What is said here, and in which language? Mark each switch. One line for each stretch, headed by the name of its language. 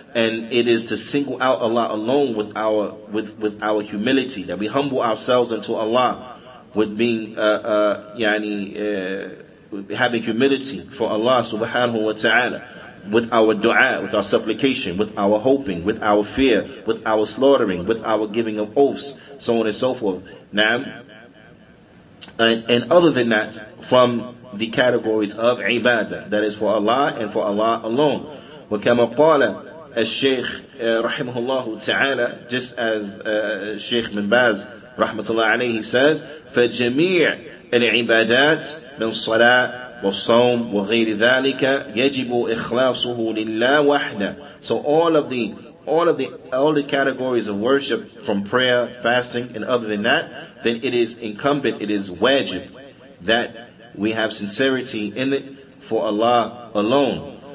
English: And it is to single out Allah alone with our with our humility, that we humble ourselves unto Allah with being having humility for Allah subhanahu wa ta'ala, with our dua, with our supplication, with our hoping, with our fear, with our slaughtering, with our giving of oaths, so on and so forth. Naam. And other than that, from the categories of ibadah, that is for Allah and for Allah alone.
Arabic: Wa kama qala الشيخ رحمه الله تعالى,
English: just as
Arabic: الشيخ بن باز رحمة الله عليه says, فجميع العبادات من صلاة والصوم وغير ذلك يجب إخلاصه لله وحده.
English: So all of the categories of worship, from prayer, fasting, and other than that, then it is incumbent, it is wajib, that we have sincerity in it for Allah alone.